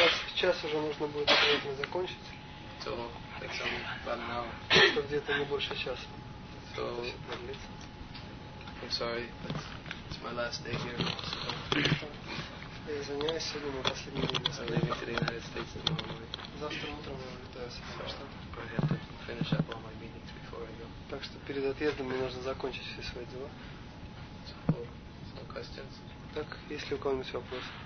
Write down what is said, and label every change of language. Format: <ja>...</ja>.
<ru>сейчас уже нужно будет обязательно закончить.</ru> <en>So, it's only about an hour.</en> <ru>Что где-то не больше часа.</ru> <en>So, I'm sorry, but it's my last day here. So.</en> <ru>Я извиняюсь, сегодня мой последний день.</ru> <en>I'm leaving to the United States tomorrow morning.</en> <ru>Завтра утром я улетаю в Соединенные Штаты.</ru> <en>So, I have to finish up all my meetings before I go.</en> <ru>Так что перед отъездом мне нужно закончить все свои дела.</ru> <en>So, no questions?</en> <ru>Так, есть ли у кого-нибудь вопрос?</ru>